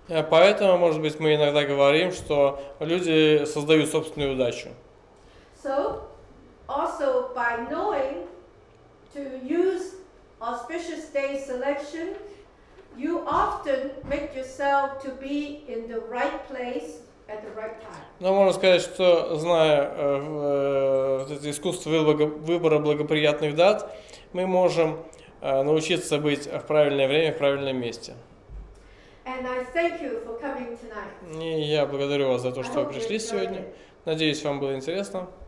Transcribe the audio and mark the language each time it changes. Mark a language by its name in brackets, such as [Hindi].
[Russian] Поэтому, может быть, мы иногда говорим, что люди создают собственную удачу. [English] So, also by knowing to use auspicious day selection, you often make yourself to be in the right place at the right time. [Russian] Но можно сказать, что зная это искусство выбора благоприятных дат, мы можем научиться быть в правильное время в правильном месте. [English] And I thank you for coming tonight. [Russian] И я благодарю вас за то, что вы пришли сегодня. Надеюсь, вам было интересно.